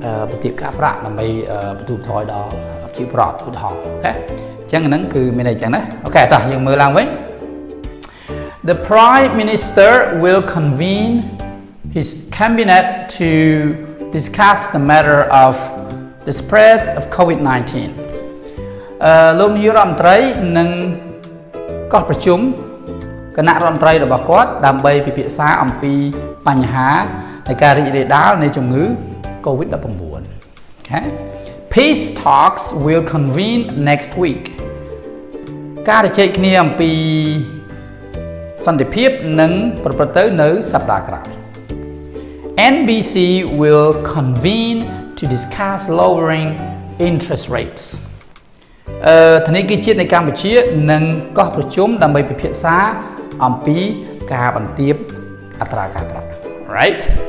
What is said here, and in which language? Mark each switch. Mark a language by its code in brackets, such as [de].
[km] បន្ទាបការប្រាក់ដើម្បីបន្ធូរបន្ថយដល់ជីវប្រតឧទាហរណ៍អូខេអញ្ចឹងហ្នឹងគឺមានអីអញ្ចឹងណាអូខេតោះយើងមើលឡើងវិញ [en] The Prime Minister will convene his cabinet to discuss the matter of the spread of COVID-19. [km] លោកនាយករដ្ឋមន្ត្រីនឹងកោះប្រជុំគណៈរដ្ឋមន្ត្រីរបស់គាត់ដើម្បីពិភាក្សាអំពីបញ្ហានៃការរីករាលដាលនៃជំងឺ COVID-19. [en] Okay. Peace talks will convene next week. [km] ការជជែកគ្នាអំពីសន្តិភាពនឹងប្រព្រឹត្តទៅនៅសប្តាហ៍ក្រោយ [en] NBC will convene to discuss lowering interest rates. [km] ធនាគារជាតិនៃកម្ពុជានឹងកោះប្រជុំដើម្បីពិភាក្សាអំពីការបន្ទាបអត្រាការប្រាក់ Right?